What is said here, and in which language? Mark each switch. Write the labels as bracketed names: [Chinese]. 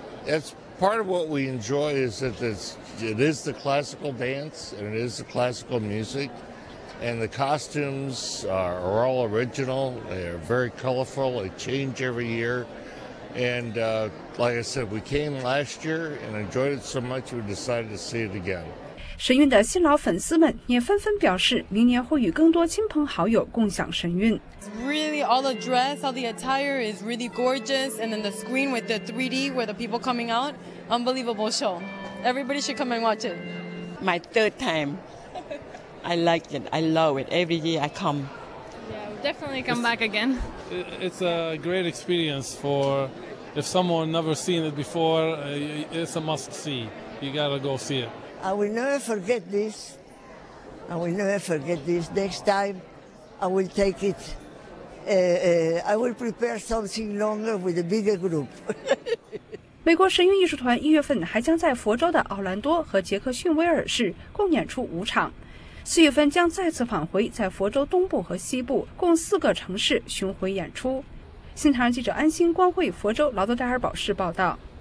[English] It's part of what we enjoy is that it is the classical dance and it is the classical music. And the costumes are all original. They are very colorful. They change every year. And like I said, we came last year and enjoyed it so much we decided to see it again. [Chinese] 神韵的新老粉丝们也纷纷表示明年会与更多亲朋好友共享神韵。 [English] Really, all the dress, all the attire is really gorgeous. And then the screen with the 3D where the people coming out, unbelievable show. Everybody should come and watch it. My third time. I like it. I love it. Every year I come. Yeah, we'll definitely come back again. It's a great experience for if someone never seen it before, it's a must see. You gotta go see it. I will never forget this. I will never forget this. Next time, I will take it. I will prepare something longer with a bigger group. [Chinese] 美国神韵艺术团一月份还将在佛州的奥兰多和杰克逊威尔市共演出五场。四月份将再次返回在佛州东部和西部共四个城市巡回演出。新唐人记者安心、光慧，佛州劳德戴尔堡市报道。